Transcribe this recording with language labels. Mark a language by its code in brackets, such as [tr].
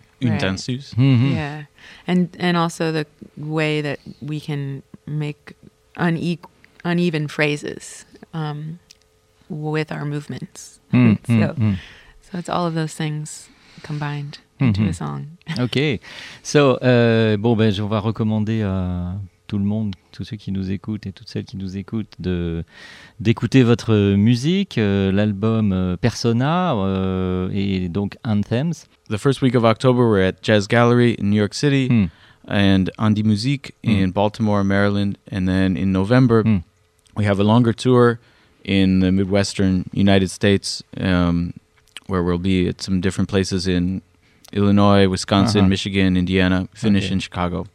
[en] Yeah, and also the way that we can make uneven phrases with our movements. So it's all of those things combined into a song. Okay, so [fr] on va recommander à tout le monde, tous ceux qui nous écoutent et toutes celles qui nous écoutent, d'écouter votre musique, l'album Persona et donc Anthems. [en] The first week of October, we're at Jazz Gallery in New York City and Andy Musique in Baltimore, Maryland. And then in November, we have a longer tour in the Midwestern United States where we'll be at some different places in Illinois, Wisconsin, Michigan, Indiana, finish in Chicago.